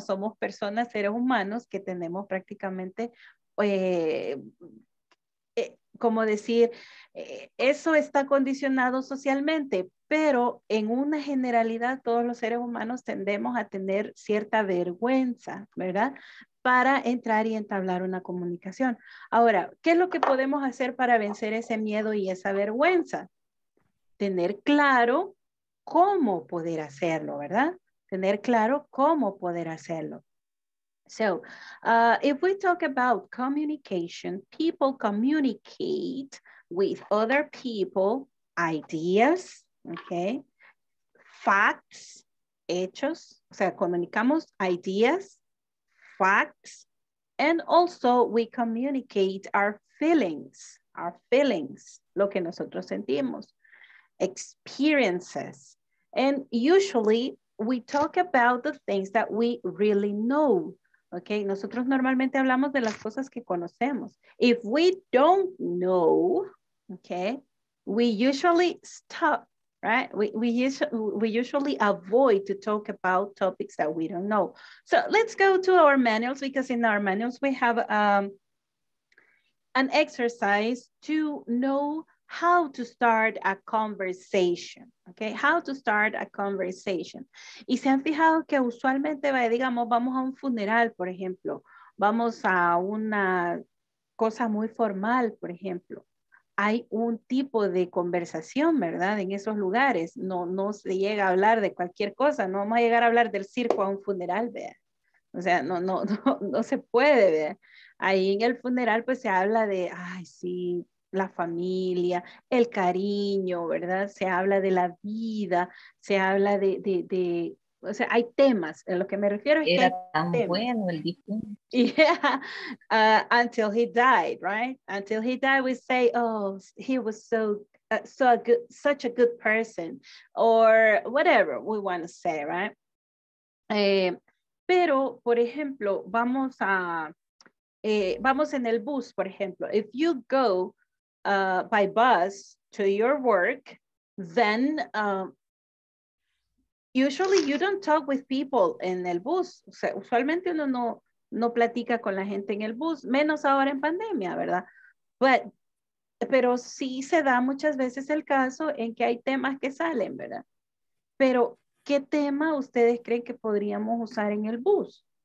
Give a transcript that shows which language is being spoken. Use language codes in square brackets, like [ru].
[es] Somos personas, seres humanos, que tenemos prácticamente, como decir, eso está condicionado socialmente, pero en una generalidad todos los seres humanos tendemos a tener cierta vergüenza, ¿verdad? Para entrar y entablar una comunicación. Ahora, ¿qué es lo que podemos hacer para vencer ese miedo y esa vergüenza? Tener claro cómo poder hacerlo, ¿verdad? Tener claro cómo poder hacerlo. [en] So if we talk about communication, people communicate with other people ideas, okay, facts, [es] hechos, o sea, comunicamos ideas, [en] facts, and also we communicate our feelings, [es] lo que nosotros sentimos, [en] experiences. And usually we talk about the things that we really know, okay? [es] Nosotros normalmente hablamos de las cosas que conocemos. [en] If we don't know, okay, we usually stop, right? We usually avoid to talk about topics that we don't know. So let's go to our manuals, because in our manuals we have an exercise to know how to start a conversation, okay? How to start a conversation. [es] Y se han fijado que usualmente, digamos, vamos a un funeral, por ejemplo. Vamos a una cosa muy formal, por ejemplo. Hay un tipo de conversación, ¿verdad? En esos lugares no se llega a hablar de cualquier cosa. No vamos a llegar a hablar del circo a un funeral, ¿verdad? O sea, no se puede, ¿verdad? Ahí en el funeral pues se habla de, ay, sí, la familia, el cariño, ¿verdad? Se habla de la vida, se habla de o sea, hay temas. A lo que me refiero es era que tan temas. Bueno el difunto. [en] Yeah, until he died, right? Until he died, we say, oh, he was such a good person, or whatever we want to say, right? [es] Pero, por ejemplo, vamos en el bus, por ejemplo. [en] If you go by bus to your work, then usually you don't talk with people in el bus. [es] O sea, usualmente uno no platica con la gente en el bus, menos ahora en pandemia, ¿verdad? Pero sí se da muchas veces el caso en que hay temas que salen, ¿verdad? Pero, ¿qué tema ustedes creen que podríamos usar en el bus?